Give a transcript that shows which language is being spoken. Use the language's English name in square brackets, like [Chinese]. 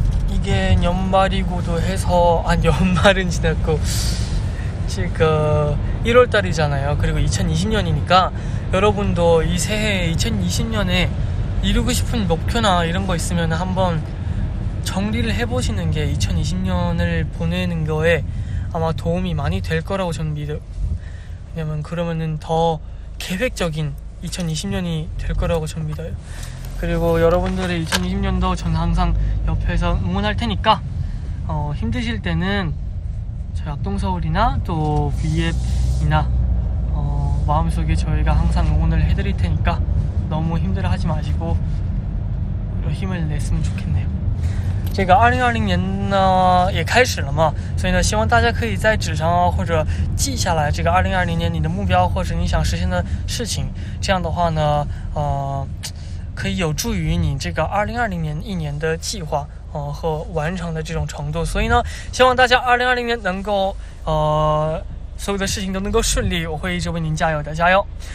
[Korean] 이게연말이고도해서아니연말은지났고지금1월달이잖아요그리고2020년이니까여러분도이새해2020년에이루고싶은목표나이런거있으면한번정리를해보시는게2020년을보내는거에 아마 도움이 많이 될 거라고 저는 믿어요. 왜냐면 그러면은 더 계획적인 2020년이 될 거라고 저는 믿어요. 그리고 여러분들의 2020년도 전 항상 옆에서 응원할 테니까 힘드실 때는 저희 악동서울이나 또 VF이나 마음속에 저희가 항상 응원을 해드릴 테니까 너무 힘들어하지 마시고 힘을 냈으면 좋겠네요. [Chinese] 제가 2020年也开始了嘛，所以呢，希望大家可以在纸上或者记下来这个2020年你的目标或者你想实现的事情，这样的话呢，可以有助于你这个2020年一年的计划和完成的这种程度。所以呢，希望大家2020年能够所有的事情都能够顺利，我会一直为您加油的，加油。